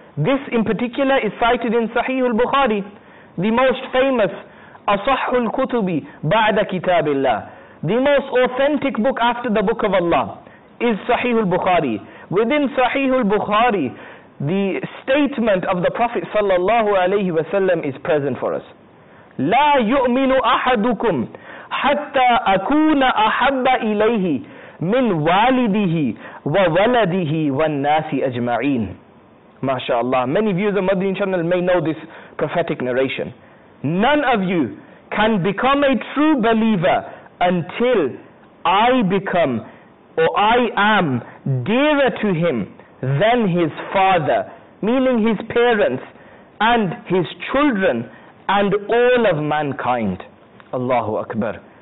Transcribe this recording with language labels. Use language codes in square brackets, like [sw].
[en] This in particular is cited in Sahih al-Bukhari, the most famous [ar] asahhu al-kutubi ba'da kitabillah, [en] the most authentic book after the book of Allah is Sahih al-Bukhari. Within Sahih al-Bukhari, the statement of the Prophet sallallahu alayhi wa sallam is present for us. [ar] لا يؤمن أحدكم حتى أكون أحب إليه من والده وولده والناس أجمعين. MashaAllah. [en] Many viewers of Madani channel may know this prophetic narration. None of you can become a true believer until I become, or I am, dearer to him than his father, meaning his parents and his children and all of mankind. Allahu Akbar.